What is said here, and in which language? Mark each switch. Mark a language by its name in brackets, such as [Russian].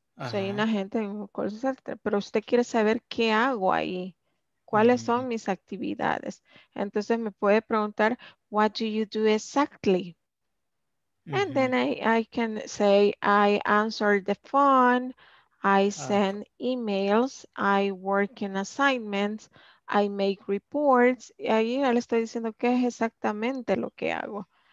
[Spanish] Soy un agente en un call center, pero usted quiere saber qué hago ahí, cuáles son mis actividades. Entonces me puede preguntar, [English] what do you do exactly? And then I can say, I answer the phone, I send emails, I work in assignments, I make reports. [Spanish] Y ahí ya le estoy diciendo qué es exactamente lo que hago.